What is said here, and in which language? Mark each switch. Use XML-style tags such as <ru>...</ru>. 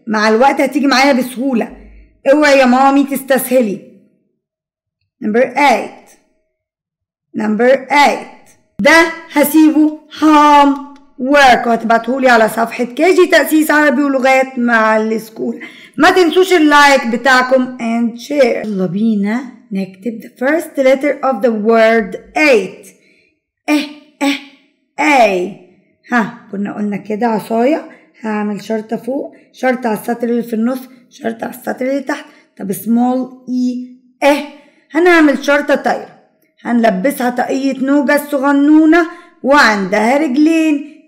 <ar>مع الوقت هتيجي معايا بسهوله، اوعي يا مامي تستسهلي. Number 8 number 8 ده هسيبه هوم ورك وهتبعتهولي على صفحة كيجي تأسيس عربي ولغات مع الاسكول. ما تنسوش اللايك بتاعكم</ar> <en>and share.</en> <ar>يلا بينا نكتب</ar> <en>the first letter of the word 8.</en> <ar>اي ها كنا قلنا كده عصاية. هعمل شرطة فوق، شرطة على السطر اللي في النص، شرطة على السطر اللي تحت. طب</ar> <en>small e</en> <ar>اه هنعمل شرطة طايرة، هنلبسها طاقية نوجة الصغنونة وعندها رجلين</ar>